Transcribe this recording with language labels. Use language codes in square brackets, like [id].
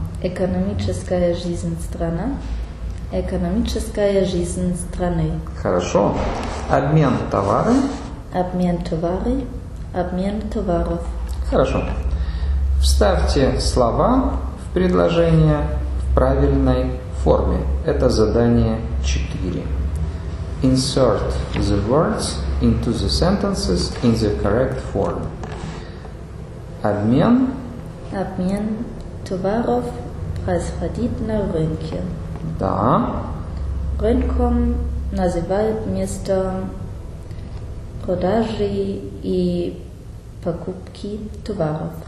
[ru] Экономическая жизнь – страна. Экономическая жизнь страны. Хорошо. Обмен товары. Обмен товары. Обмен товаров. Хорошо. Вставьте слова в предложение в правильной форме. Это задание 4. [en] Insert the words into the sentences in the correct form. [ru] Обмен. Обмен товаров происходит на рынке. Да. Рынком называют место продажи и покупки товаров.